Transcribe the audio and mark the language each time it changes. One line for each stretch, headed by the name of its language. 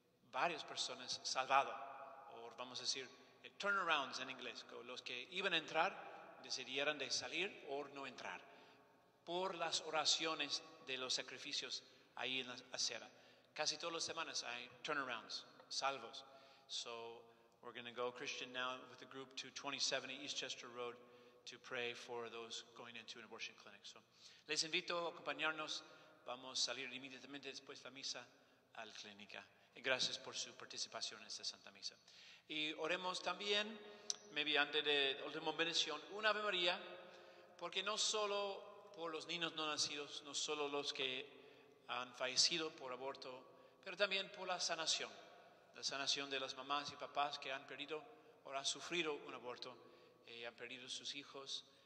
Spanish: varias personas salvadas, o vamos a decir turnarounds en inglés, los que iban a entrar decidieron de salir o no entrar por las oraciones de los sacrificios ahí en la acera. Casi todas las semanas hay turnarounds, salvos.
English: So we're going to go, Christian, now with the group to 2070 East Chester Road to pray for those going into an abortion clinic.
Spanish: So les invito a acompañarnos. Vamos a salir inmediatamente después de la misa al clínica. Y gracias por su participación en esta Santa Misa. Y oremos también, maybe antes de la última bendición, una Ave María, porque no solo por los niños no nacidos, no solo los que han fallecido por aborto, pero también por la sanación de las mamás y papás que han perdido o han sufrido un aborto, han perdido sus hijos.